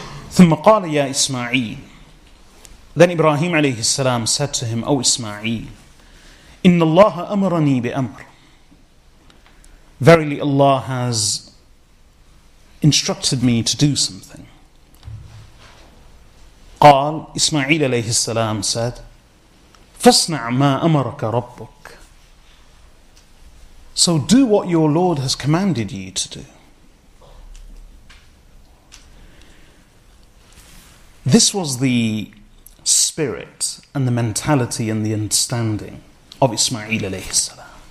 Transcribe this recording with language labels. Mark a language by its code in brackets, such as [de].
[ar] ثم قال يا إسماعيل. [en] Then Ibrahim عليه السلام said to him, O Ismail, [ar] إن الله أمرني بأمر. [en] Verily Allah has instructed me to do something. [ar] قال إسماعيل عليه السلام [en] said, [ar] فاصنع ما أمرك ربك. [en] So do what your Lord has commanded you to do. This was the spirit and the mentality and the understanding of Ismail alayhi salam.